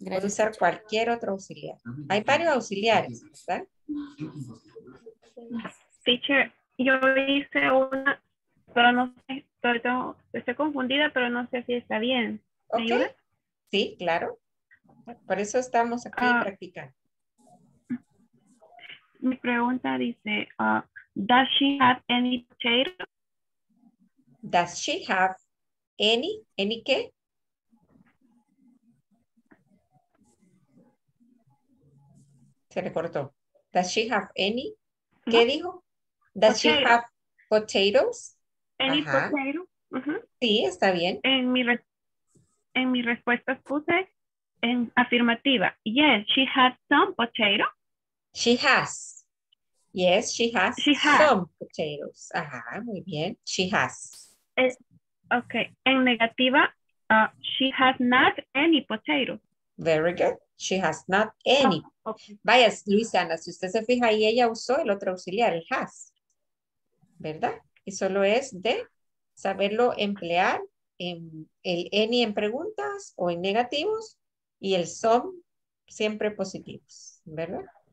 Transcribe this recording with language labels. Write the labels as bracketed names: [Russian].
[Spanish] Puedo usar cualquier otro auxiliar. Hay varios auxiliares, ¿verdad? Teacher, yo hice una, pero no sé estoy confundida, pero no sé si está bien. Okay. ¿Ayuda? Sí, claro. Por eso estamos aquí practicando. Mi pregunta dice, [English] does she have any potatoes? Does she have any qué? [Spanish] Se le cortó. [English] Does she have any? [Spanish] ¿Qué dijo? [English] Does she have potatoes? Any potatoes. [Spanish] Uh-huh. Sí, está bien. En mi respuesta puse en afirmativa. [English] Yes, she has some potatoes. She has. Yes, she has some potatoes. [Spanish] Ajá, muy bien. [English] She has. Okay. [Spanish] En negativa, [English] she has not any potatoes. Very good. She has not any. Oh, okay. [Spanish] Vaya, Luisana, si usted se fija ahí, ella usó el otro auxiliar, el has. ¿Verdad? Y solo es de saberlo emplear en el any en preguntas o en negativos y el some siempre positivos. ¿Verdad?